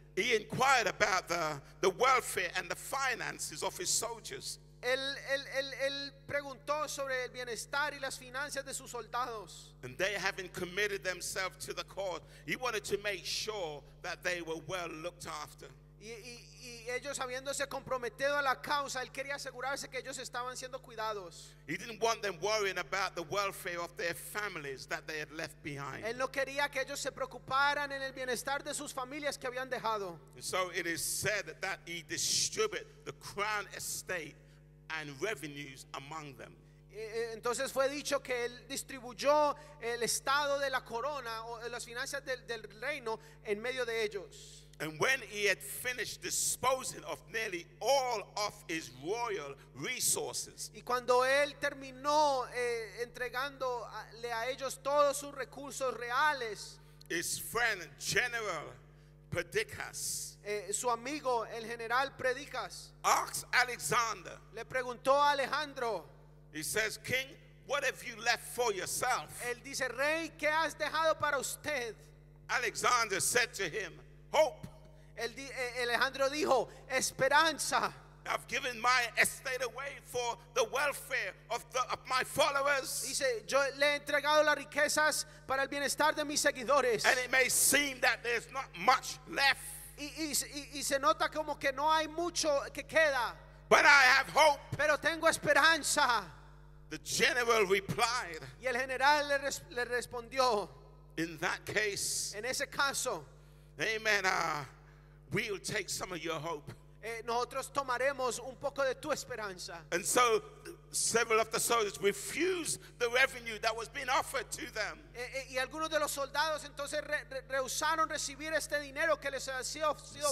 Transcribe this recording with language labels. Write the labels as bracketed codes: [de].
[en] He inquired about the welfare and the finances of his soldiers. [es] Él preguntó sobre el bienestar y las finanzas de sus soldados. [en] And they having committed themselves to the cause, he wanted to make sure that they were well looked after. [es] Y ellos habiéndose comprometido a la causa, él quería asegurarse que ellos estaban siendo cuidados. [en] He didn't want them worrying about the welfare of their families that they had left behind. [es] Él no quería que ellos se preocuparan en el bienestar de sus familias que habían dejado. [en] And so it is said that he distributed the crown estate and revenues among them. [es] Entonces fue dicho que él distribuyó el estado de la corona o las finanzas del reino en medio de ellos. [en] And when he had finished disposing of nearly all of his royal resources. [es] Y cuando él terminó entregándole a ellos todos sus recursos reales. [en] His friend General Perdiccas. [es] Su amigo el General Perdiccas. [en] Asked Alexander. [es] Le preguntó a Alejandro. [en] He says, "King, what have you left for yourself?" [es] Él dice, "Rey, ¿qué has dejado para usted?" [en] Alexander said to him, "Hope." [es] Alejandro dijo, esperanza. [en] I've given my estate away for the welfare of my followers. [es] Dice, yo le he entregado las riquezas para el bienestar de mis seguidores. [en] And it may seem that there's not much left. [es] Y se nota como que no hay mucho que queda. [en] But I have hope. [es] Pero tengo esperanza. [en] The general replied. [es] Y el general le respondió. [en] In that case. [es] En ese caso. [en] Amen. We'll take some of your hope. [es] Nosotros tomaremos un poco de tu esperanza. [en] And so several of the soldiers refused the revenue that was being offered to them. [es] Y algunos de los soldados entonces rehusaron recibir este dinero que les había sido ofrecido.